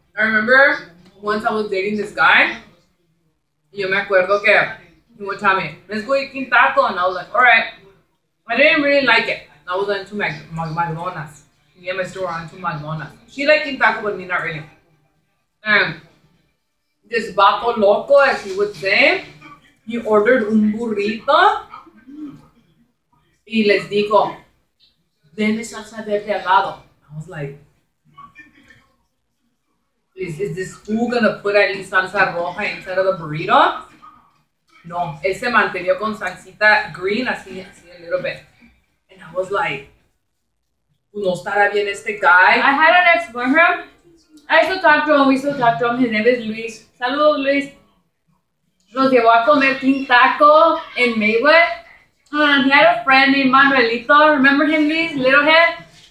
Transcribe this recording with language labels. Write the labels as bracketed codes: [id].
[en] I remember once I was dating this guy. [es] Yo me acuerdo que [en] he would tell me, let's go eat King Taco, and I was like, all right. I didn't really like it. I was into McDonald's. Me and my store into McDonald's. She liked King Taco, but me not really. And this Bato Loco, as he would say, he ordered un burrito. [es] Y les dijo, deme salsa verde al lado. [en] I was like, is this who gonna put any salsa roja instead of the burrito? [es] No, él se mantenió con salsita green, así [en] a little bit. And I was like, [es] no estará bien este [en] guy. I had an ex-boyfriend. I still talk to him, we still talk to him. His name is Luis. Saludos, Luis. [es] Nos llevó a comer [en] King Taco in Maywood. He had a friend named Manuelito. Remember him, Luis? Little head.